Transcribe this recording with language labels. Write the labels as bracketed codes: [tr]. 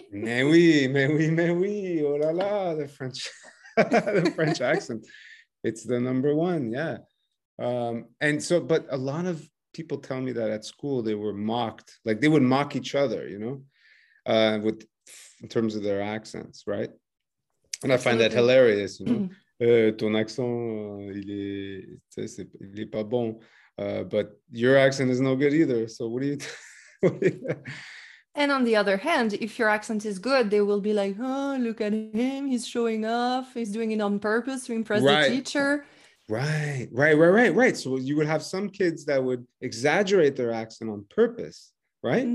[fr] Mais oui. [en] Oh la la, the French accent. It's the number one, yeah. But a lot of people tell me that at school they were mocked, like they would mock each other, you know, in terms of their accents, right? And I find that hilarious, you know. [fr] ton accent, il est pas bon. [en] But your accent is no good either. So what do you? And on the other hand, if your accent is good, they will be like, "Oh, look at him! He's showing off. He's doing it on purpose to impress the teacher." Right. So you would have some kids that would exaggerate their accent on purpose, right?